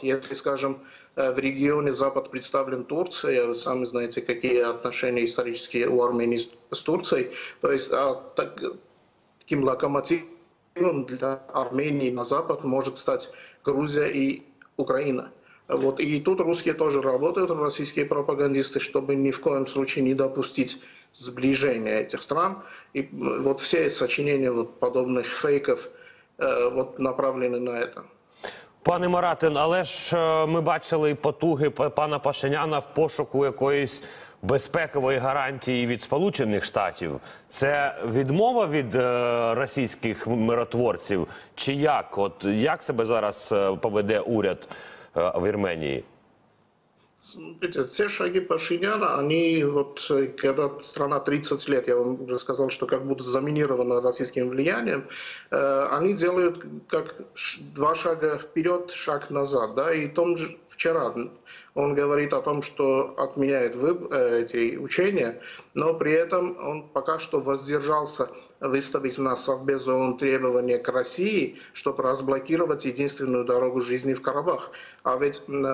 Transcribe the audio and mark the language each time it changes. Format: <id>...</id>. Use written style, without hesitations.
<ru>Если, скажем, в регионе Запад представлен Турцией, вы сами знаете, какие отношения исторические у Армении с Турцией, то есть таким локомотивом для Армении на Запад может стать Грузия и Украина. Вот. И тут русские тоже работают, российские пропагандисты, чтобы ни в коем случае не допустить сближение этих стран. И вот все сочинения вот подобных фейков вот направлены на это.</ru> <uk>Пане Маратин, але ж ми бачили потуги пана Пашиняна в пошуку якоїсь безпекової гарантії від Сполучених Штатів. Це відмова від російських миротворців? Чи як? От як себе зараз поведе уряд в Вірменії?</uk> <ru>Смотрите, все шаги Пашиняна, они вот, когда страна 30 лет, я вам уже сказал, что как будто заминирована российским влиянием, они делают как два шага вперед, шаг назад. Да? И том же, вчера он говорит о том, что отменяет эти учения, но при этом он пока что воздержался выставить на Совбез ООН требования к России, чтобы разблокировать единственную дорогу жизни в Карабах. А ведь</ru>